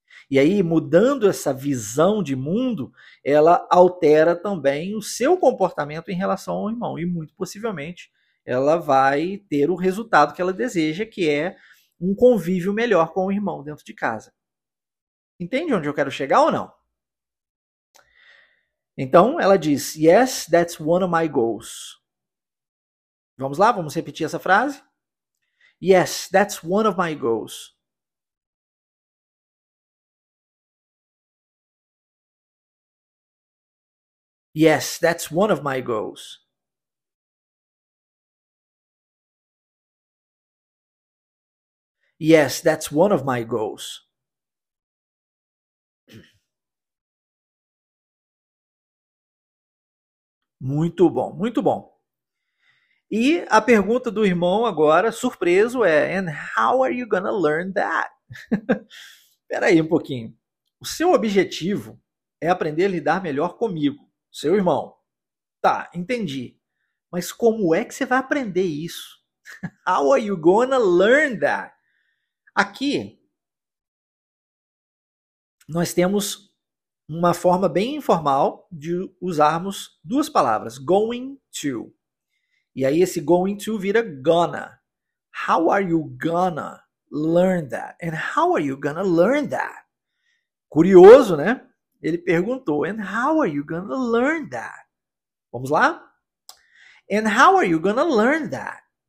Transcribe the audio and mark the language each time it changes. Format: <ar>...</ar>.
<pt>E aí, mudando essa visão de mundo, ela altera também o seu comportamento em relação ao irmão. E muito possivelmente, ela vai ter o resultado que ela deseja, que é um convívio melhor com o irmão dentro de casa. Entende onde eu quero chegar ou não? Então, ela diz,</pt> <en>yes, that's one of my goals.</en> <pt>Vamos lá? Vamos repetir essa frase?</pt> <en>Yes, that's one of my goals. Yes, that's one of my goals. Yes, that's one of my goals.</en> <pt>Muito bom, muito bom. E a pergunta do irmão agora, surpreso, é</pt> <en>and how are you gonna learn that?</en> <pt>Espera aí um pouquinho. O seu objetivo é aprender a lidar melhor comigo. Seu irmão, tá, entendi. Mas como é que você vai aprender isso?</pt> <en>How are you gonna learn that?</en> <pt>Aqui, nós temos uma forma bem informal de usarmos duas palavras.</pt> <en>Going to.</en> <pt>E aí esse</pt> <en>going to vira gonna. How are you gonna learn that? And how are you gonna learn that?</en> <pt>Curioso, né? Ele perguntou,</pt> <en>and how are you gonna learn that?</en> <pt>Vamos lá?</pt> <en>And how are you gonna learn that?</en>